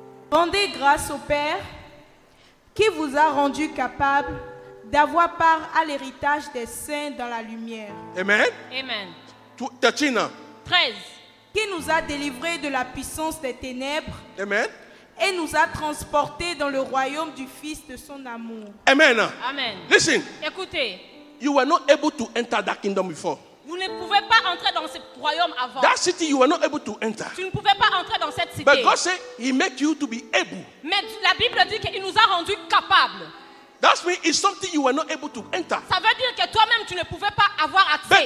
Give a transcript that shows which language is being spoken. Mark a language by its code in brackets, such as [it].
[fr] Rendez grâce au Père qui vous a rendu capable d'avoir part à l'héritage des saints dans la lumière. Amen. Amen. 13. Qui nous a délivrés de la puissance des ténèbres. Amen. Et nous a transportés dans le royaume du Fils de son amour. Amen. Amen. [en] Listen. [fr] Écoutez. [en] You were not able to enter that kingdom before. [fr] Vous ne pouvez pas entrer dans ce royaume avant. [en] That city you were not able to enter. [fr] Tu ne pouvais pas entrer dans cette cité. [en] But God said He made you to be able. [fr] Mais la Bible dit qu'il nous a rendu capable. [en] That means it's something you were not able to enter. [fr] Ça veut dire que toi-même tu ne pouvais pas avoir accès.